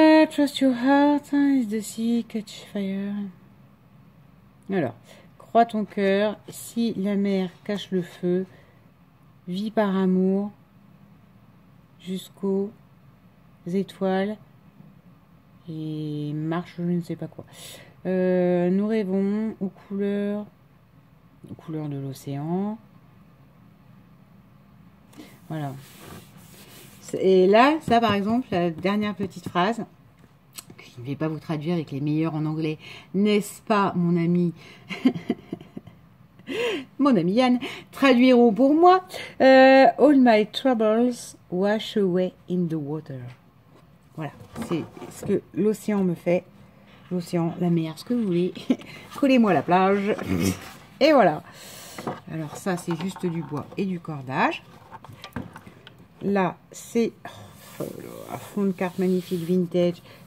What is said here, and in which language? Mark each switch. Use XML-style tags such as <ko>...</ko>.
<en>Trust your heart is the sea, catch fire.</en> <fr>Alors, crois ton cœur, si la mer cache le feu, vis par amour jusqu'aux étoiles et marche, je ne sais pas quoi. Nous rêvons aux couleurs de l'océan. Voilà. Et là, ça par exemple, la dernière petite phrase. Je ne vais pas vous traduire avec les meilleurs en anglais. N'est-ce pas, mon ami mon ami Yann, traduiront pour moi.</fr> <en>All my troubles wash away in the water.</en> <fr>Voilà, c'est ce que l'océan me fait. L'océan, la mer, ce que vous voulez. Collez-moi la plage. Et voilà. Alors ça, c'est juste du bois et du cordage. Là, c'est un fond de carte magnifique vintage.</fr>